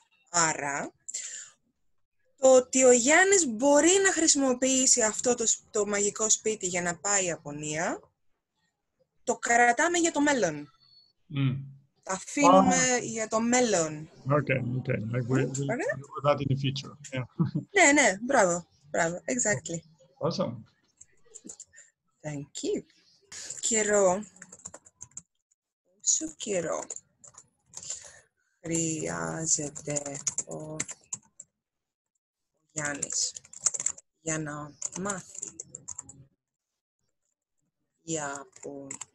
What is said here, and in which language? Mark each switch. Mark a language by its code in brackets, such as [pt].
[el] Άρα, το ότι ο Γιάννης μπορεί να χρησιμοποιήσει αυτό το μαγικό σπίτι για να πάει Ιαπωνία, το κρατάμε για το μέλλον. Τα αφήνουμε για το μέλλον. [en] Okay. Like we'll do that in the future. Yeah. [el] Ναι, μπράβο, [en] exactly. Awesome. Thank you. [el] Όσο καιρό χρειάζεται ο Γιάννης για να μάθει για από...